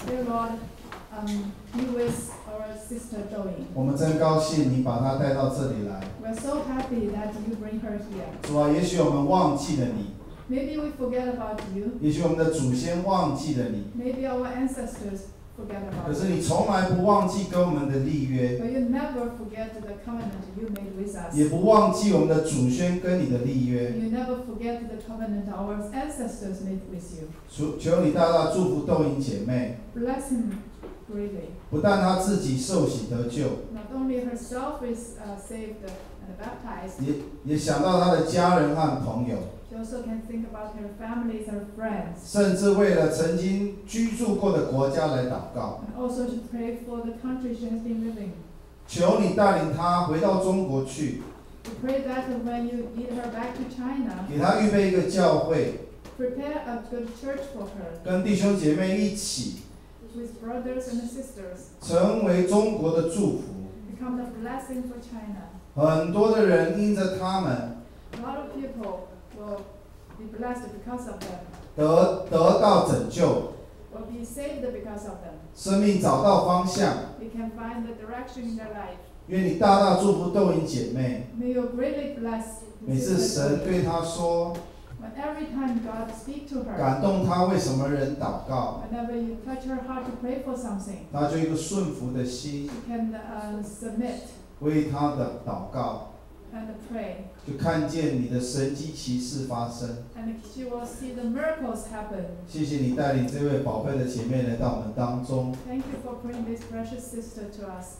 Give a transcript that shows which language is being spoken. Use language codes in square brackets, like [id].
[en] Dear Lord, be with our sister Dou Ying. [zh] 我们真高兴你把她带到这里来。 [en] We're so happy that you bring her here. [zh] 主啊，也许我们忘记了你。 [en] Maybe we forget about you. [zh] 也许我们的祖先忘记了你。 [en] Maybe our ancestors forget about you. [zh] 可是你从来不忘记跟我们的立约。 [en] But you never forget the covenant you made with us. [zh] 也不忘记我们的祖先跟你的立约。 [en] You never forget the covenant our ancestors made with you. [zh] 求你大大祝福豆莹姐妹。 [en] Bless him greatly. [zh] 不但她自己受洗得救。 [en] Not only herself is saved and baptized. [zh] 也想到她的家人和朋友。 [en] She also can think about her families, her friends. [zh] 甚至为了曾经居住过的国家来祷告。 [en] And also to pray for the country she has been living. [zh] 求你带领她回到中国去。 [en] We pray that when you lead her back to China. [zh] 给她预备一个教会。 [en] Prepare a good church for her. [zh] 跟弟兄姐妹一起。 [en] With brothers and sisters. [zh] 成为中国的祝福。 [en] Become a blessing for China. [zh] 很多的人因着他们。 [en] A lot of people. Will be blessed because of them. [zh] 得到拯救. [en] Will be saved because of them. [zh] 生命找到方向. [en] They can find the direction in their life. [zh] 愿你大大祝福豆莹姐妹. [en] May you greatly bless. [zh] 每次神对她说. [en] When every time God speak to her. [zh] 感动她为什么人祷告. [en] Whenever you touch her heart to pray for something. [zh] 她就一个顺服的心. [en] She can submit. [zh] 为她的祷告. [en] And pray. [zh] 就看见你的神迹奇事发生。 [en] And she will see the miracles happen. [zh] 谢谢你带领这位宝贝的姐妹来到我们当中。 [en] Thank you for bringing this precious sister to us.